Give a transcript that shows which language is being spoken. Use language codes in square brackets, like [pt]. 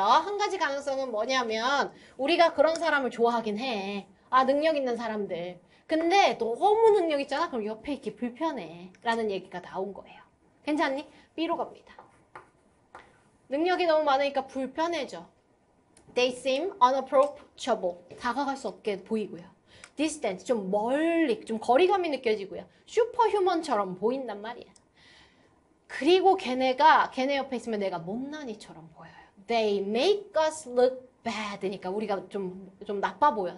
[ko] 한 가지 가능성은 뭐냐면, 우리가 그런 사람을 좋아하긴 해. 아, 능력 있는 사람들. 근데 너무 능력 있잖아? 그럼 옆에 있기 불편해. 라는 얘기가 나온 거예요. 괜찮니? B로 갑니다. 능력이 너무 많으니까 불편해져. [en] They seem unapproachable. [ko] 다가갈 수 없게 보이고요. [en] Distant. [ko] 좀 멀리, 좀 거리감이 느껴지고요. 슈퍼휴먼처럼 보인단 말이야. 그리고 걔네 옆에 있으면 내가 못난이처럼 보여요. [en] They make us look bad [ko] 니까 우리가 좀 나빠 보여.